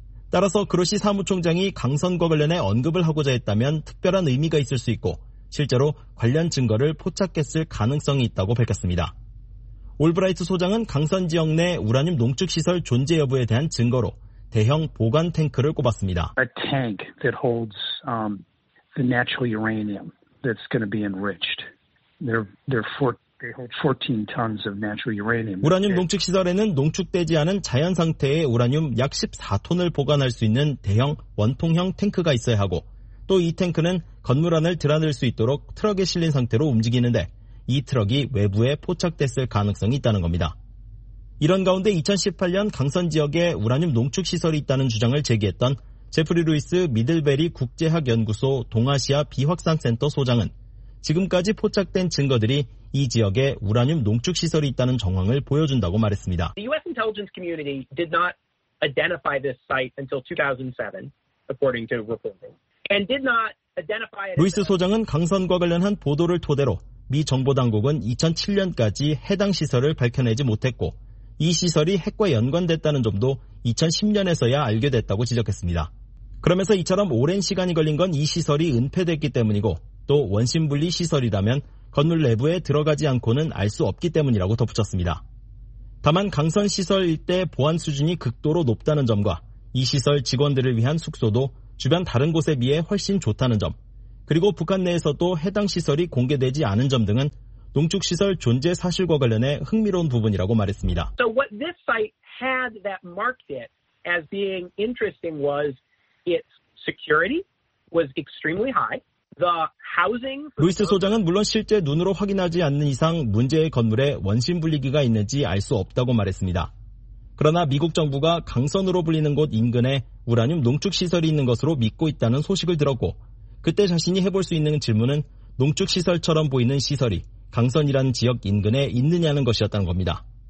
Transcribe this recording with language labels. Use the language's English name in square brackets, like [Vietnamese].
[Korean] 따라서 그로시 사무총장이 강선과 관련해 언급을 하고자 했다면 특별한 의미가 있을 수 있고 실제로 관련 증거를 포착했을 가능성이 있다고 밝혔습니다. 올브라이트 소장은 강선 지역 내 우라늄 농축시설 존재 여부에 대한 증거로 대형 보관 탱크를 꼽았습니다. [English] A tank that holds the natural uranium that's going to be enriched. They hold 14 tons of natural uranium. [Korean] 우라늄 농축시설에는 농축되지 않은 자연 상태의 우라늄 약 14톤을 보관할 수 있는 대형 원통형 탱크가 있어야 하고 또 이 탱크는 건물 안을 드러낼 수 있도록 트럭에 실린 상태로 움직이는데 이 트럭이 외부에 포착됐을 가능성이 있다는 겁니다. 이런 가운데 2018년 강선 지역에 우라늄 농축시설이 있다는 주장을 제기했던 제프리 루이스 미들베리 국제학연구소 동아시아 비확산센터 소장은 지금까지 포착된 증거들이 이 지역에 우라늄 농축 시설이 있다는 정황을 보여준다고 말했습니다. [English] The US intelligence community did not identify this site until 2007, according to reporting, and did not identify it. [Korean] 루이스 소장은 강선과 관련한 보도를 토대로 미 정보 당국은 2007년까지 해당 시설을 밝혀내지 못했고 이 시설이 핵과 연관됐다는 점도 2010년에서야 알게 됐다고 지적했습니다. 그러면서 이처럼 오랜 시간이 걸린 건 이 시설이 은폐됐기 때문이고 또 원심분리 시설이라면 건물 내부에 들어가지 않고는 알 수 없기 때문이라고 덧붙였습니다. 다만 강선 시설 일대 보안 수준이 극도로 높다는 점과 이 시설 직원들을 위한 숙소도 주변 다른 곳에 비해 훨씬 좋다는 점, 그리고 북한 내에서도 해당 시설이 공개되지 않은 점 등은 농축시설 존재 사실과 관련해 흥미로운 부분이라고 말했습니다. [English] So what this site had that marked it as being interesting was its security was extremely high. The housing. [Korean] 루이스 소장은 물론 실제 눈으로 확인하지 않는 이상 문제의 건물에 원심 분리기가 있는지 알 수 없다고 말했습니다. 그러나 미국 정부가 강선으로 불리는 곳 인근에 우라늄 농축시설이 있는 것으로 믿고 있다는 소식을 들었고, 그때 자신이 해볼 수 있는 질문은 농축시설처럼 보이는 시설이 강선이라는 지역 인근에 있느냐는 것이었다는 겁니다.